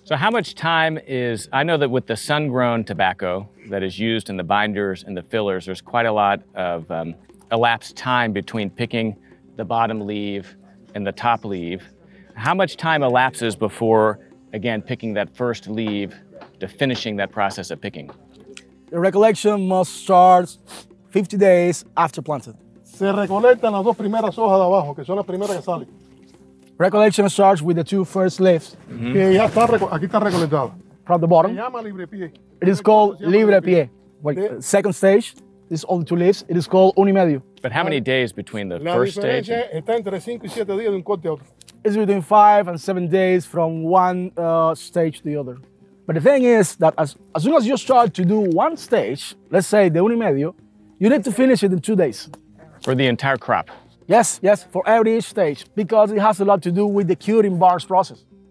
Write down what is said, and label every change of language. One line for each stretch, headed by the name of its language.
English: So how much time is, I know that with the sun-grown tobacco that is used in the binders and the fillers, there's quite a lot of elapsed time between picking the bottom leaf and the top leaf. How much time elapses before, again, picking that first leaf to finishing that process of picking? The recollection must start 50 days after planting.
Spanish: Se recolectan las dos primeras hojas de abajo, que son las primeras que salen.
English: Recollection starts with the two first leaves.
Spanish: Mm-hmm. Que ya está, aquí está recolectado.
English: From the bottom.
Spanish: Se llama libre pie.
English: It is called libre pie. Second stage, this is only two leaves. It is called unimedio. But how many days between the first stage?
Spanish: Está entre 5 y 7 días de un corte a otro.
English: It's between 5 and 7 days from one stage to the other. But the thing is that as soon as you start to do one stage, let's say the unimedio, you need to finish it in 2 days. For the entire crop? Yes, yes, for every stage, because it has a lot to do with the curing bars process.